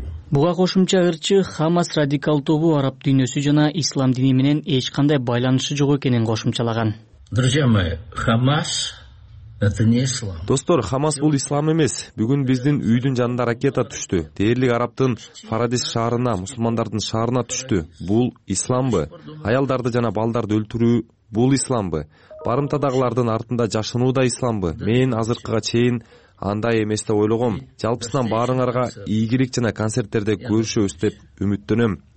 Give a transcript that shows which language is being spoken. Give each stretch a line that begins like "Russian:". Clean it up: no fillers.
Kyrgyz: Буга кошумча ырчы Хамас радикал тобу араб дүйнөсү жана ислам дини менен эч кандай байланышы жок экенин кошумчалаган.
Russian: Друзья мои, Хамас это не ислам.
Kyrgyz: Достор, Хамас бул ислам эмес. Бүгүн биздин үйдүн жанында ракета түштү. Дээрлик арабтын Фарадис шаарына, мусулмандардын шаарына түштү. Бул исламбы? Аялдарды жана балдарды өлтүрүү бул исламбы? Барымтадагылардын артында жашынуу да исламбы? Мен азыркыга чейин андай эмес деп ойлогом. Жалпысынан баарыңарга ийгилик жана концерттерде көрүшөбүз деп үмүттөнөм.